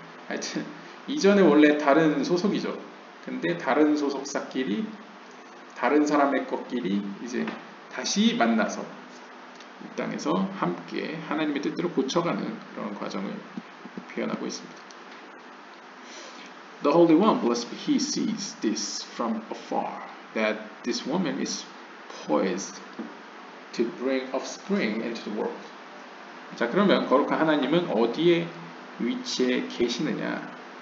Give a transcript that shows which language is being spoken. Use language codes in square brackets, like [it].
[ko] 하여튼, 이전에 원래 다른 소속이죠. 근데 다른 소속사끼리, 다른 사람의 것끼리 이제 다시 만나서 이 땅에서 함께 하나님의 뜻대로 고쳐가는 그런 과정을 표현하고 있습니다. [en] The Holy One, blessed be He, sees this from afar, that this woman is poised to bring offspring into the world. [ko] 자, 그러면 거룩한 하나님은 어디에 위치해 계시느냐?